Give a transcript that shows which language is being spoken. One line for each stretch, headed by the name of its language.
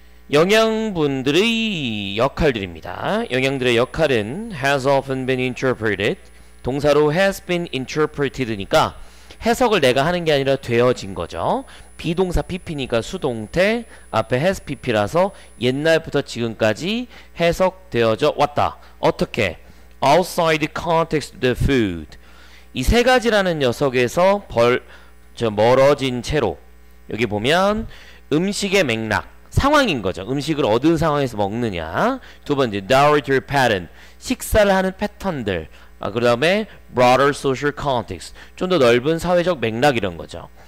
Korean: 영양분들의 역할들입니다. 영양들의 역할은
English: has often been interpreted,
Korean: 동사로
English: has been interpreted니까
Korean: 해석을 내가 하는 게 아니라 되어진 거죠. 비동사 pp니까 수동태, 앞에 has pp라서 옛날부터 지금까지 해석되어져 왔다. 어떻게?
English: outside the context of the food.
Korean: 이 세 가지라는 녀석에서 멀어진 채로, 여기 보면 음식의 맥락, 상황인 거죠. 음식을 어떤 상황에서 먹느냐. 두 번째, dietary pattern, 식사를 하는 패턴들. 아, 그 다음에
English: broader social context,
Korean: 좀 더 넓은 사회적 맥락, 이런 거죠.